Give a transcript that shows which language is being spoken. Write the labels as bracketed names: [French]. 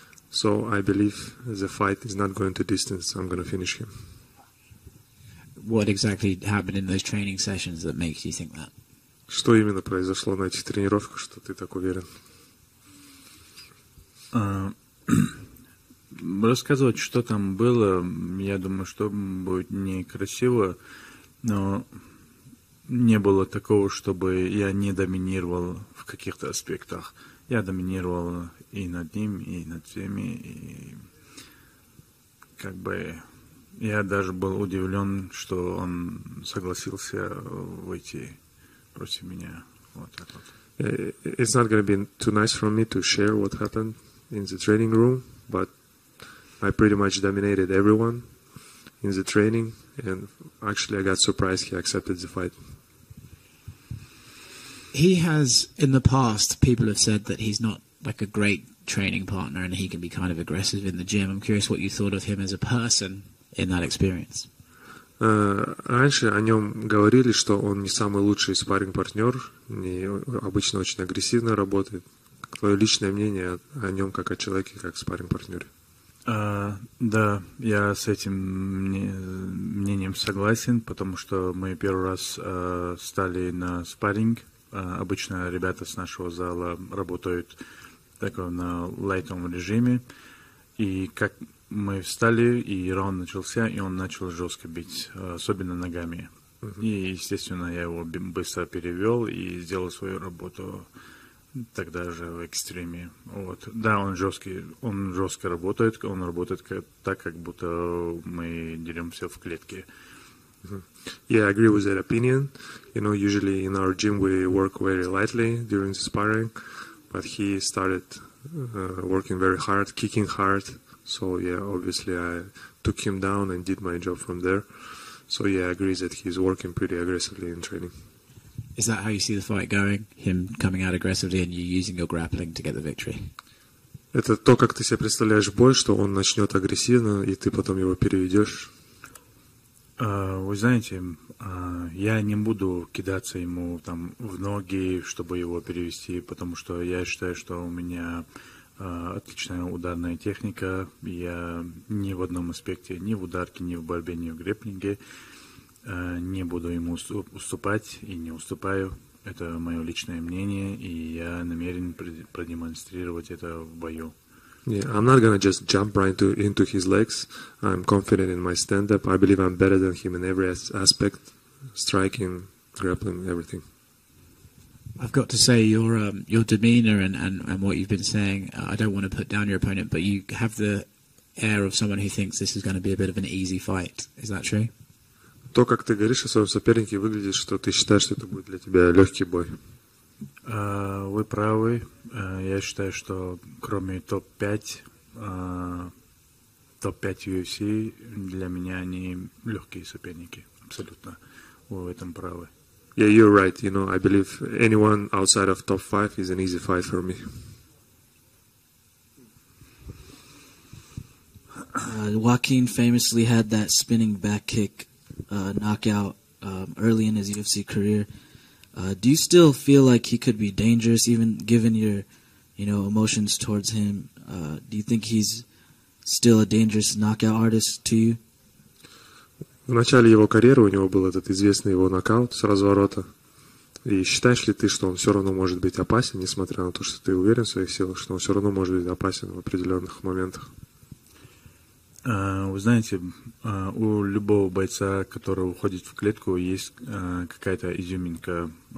[English] So I believe the fight is not going to distance. I'm going to finish him. What exactly happened in those training sessions that makes you think that? [Russian] Что именно произошло на этих тренировках, что ты так уверен? Рассказывать, что там было, я думаю, что будет некрасиво. Но не было такого, чтобы я не доминировал в каких-то аспектах. Я доминировал и над ним, и над всеми. И как бы я даже был удивлен, что он согласился выйти против меня. Вот так вот. [English] It's not going to be too nice for me to share what happened in the training room, but I pretty much dominated everyone in the training. And actually, I got surprised he accepted the fight. He has, in the past, people have said that he's not like a great training partner and he can be kind of aggressive in the gym. I'm curious what you thought of him as a person in that experience. [Russian] Раньше о нем говорили, что он не самый лучший спарринг-партнер, не обычно очень агрессивно работает. Твое личное мнение о нем как о человеке, как спарринг-партнере? Да, я с этим мнением согласен, потому что мы первый раз стали на спарринг. Обычно ребята с нашего зала работают так, на лайтовом режиме. И как мы встали, и раунд начался, и он начал жестко бить, особенно ногами. Uh-huh. И, естественно, я его быстро перевел и сделал свою работу тогда же в экстриме. Вот. Да, он жестко работает, он работает так, как будто мы деремся в клетке. [English] Yeah, I agree with that opinion. You know, usually in our gym we work very lightly during the sparring, but he started working very hard, kicking hard. So yeah, obviously I took him down and did my job from there. So yeah, I agree that he's working pretty aggressively in training. Is that how you see the fight going? Him coming out aggressively and you using your grappling to get the victory? [Russian] Это то, как ты себе представляешь бой, что он начнет агрессивно и ты потом его переведешь. Вы знаете, я не буду кидаться ему там в ноги, чтобы его перевести, потому что я считаю, что у меня отличная ударная техника. Я ни в одном аспекте, ни в ударке, ни в борьбе, ни в грэпплинге не буду ему уступать и не уступаю. Это мое личное мнение, и я намерен продемонстрировать это в бою. [English] Yeah, I'm not going to just jump right into his legs. I'm confident in my stand-up. I believe I'm better than him in every aspect, striking, grappling, everything. I've got to say, your demeanor and what you've been saying, I don't want to put down your opponent, but you have the air of someone who thinks this is going to be a bit of an easy fight. Is that true? [Russian] То, как ты говоришь о своем сопернике, выглядит, что ты считаешь, что это будет для тебя легкий бой. Вы правы. Я считаю, что кроме топ-5 UFC, для меня они легкие соперники. Абсолютно. Вы в этом правы. [English] Yeah, you're right. You know, I believe anyone outside of top-5 is an easy fight for me. Joaquin famously had that spinning back kick knockout early in his UFC career. Do you still feel like he could be dangerous, even given your, you know, emotions towards him? Do you think he's still a dangerous knockout artist to you? [Russian] В начале его карьеры у него был этот известный его нокаут с разворота. И считаешь ли ты, что он все равно может быть опасен, несмотря на то, что ты уверен в своих силах, что он все равно может быть опасен в определенных моментах? Вы знаете, у любого бойца, который уходит в клетку, есть какая-то изюминка.